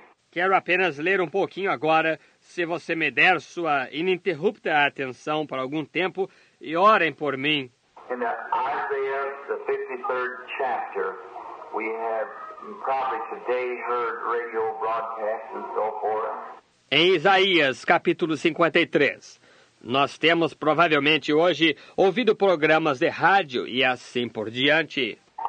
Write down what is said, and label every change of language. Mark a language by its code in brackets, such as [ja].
[pt] Quero apenas ler um pouquinho agora, se você me der sua ininterrupta atenção por algum tempo e orem por mim. [en] In Isaiah, the 53rd chapter, we have probably today heard radio broadcasts and so forth. [pt] Em Isaías, capítulo 53, nós temos provavelmente hoje ouvido programas de rádio e assim por diante.